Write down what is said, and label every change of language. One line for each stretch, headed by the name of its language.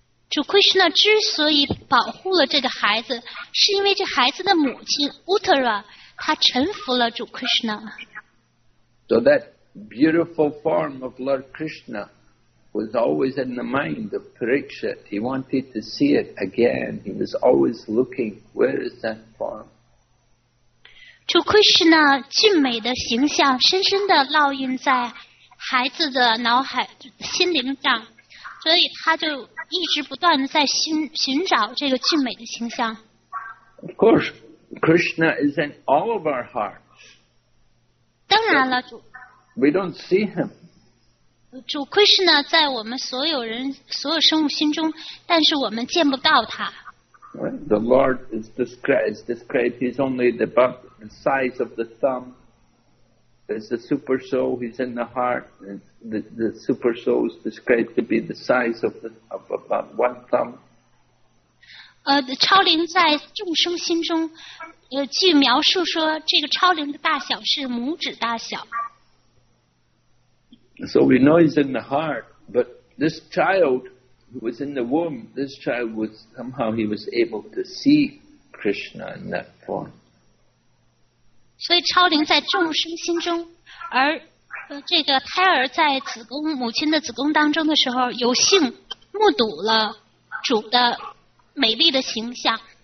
Chinese: 主 Krishna 之所以保护了这个孩子，是因为这孩子的母亲 Uttara 她臣服了主 Krishna。
English: So that. Beautiful form of Lord Krishna was always in the mind of Parikshit. He wanted to see it again. He was always looking, where is that form?
Chinese: 主 Krishna 俊美的形象深深地烙印在孩子的脑海心灵上，所以他就一直不断地在寻找这个俊美的形象。
English: Of course, Krishna is in all of our hearts.
Chinese: 当然了，主
English: We don't see him.
Chinese: 主 Krishna 在我们所有人、所有生物心中，但是我们见不到他。
English: The Lord is described. He's only about the size of the thumb. There's the super soul. He's in the heart. The super soul is described to be the size of about one thumb.
Chinese: 超灵在众生心中，据描述说，这个超灵的大小是拇指大小。
English: So we know he's in the heart, but this child who was in the womb, this child was somehow he was able to see Krishna in that form.
Chinese: So, 超灵在众生心中，而这个胎儿在子宫母亲的子宫当中的时候，有幸目睹了主的美丽的形象。